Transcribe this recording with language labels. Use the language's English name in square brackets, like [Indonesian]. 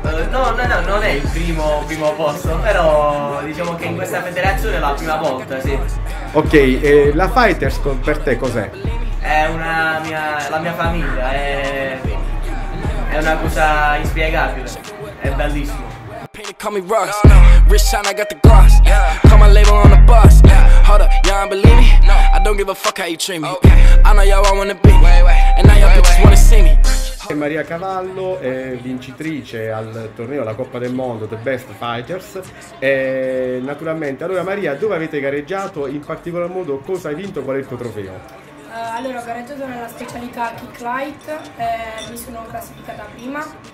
[Italian] No, non è il primo posto, però diciamo che in questa federazione è la prima volta, sì. Ok, e la Fighters per te cos'è? È la mia famiglia, è una cosa inspiegabile, è bellissimo. [English] Call me Russ, rich shine, I got the gloss, call my label on the bus, hold up, y'all ain't believe me, I don't give a fuck how you treat me, I know y'all all wanna be, and now y'all bitches wanna see me. [Italian] Maria Cavallo è vincitrice al torneo La Coppa del Mondo The Best Fighters e naturalmente, allora Maria, dove avete gareggiato? In particolar modo cosa hai vinto? Qual è il tuo trofeo? Allora, ho gareggiato nella specialità Kick Light, mi sono classificata prima.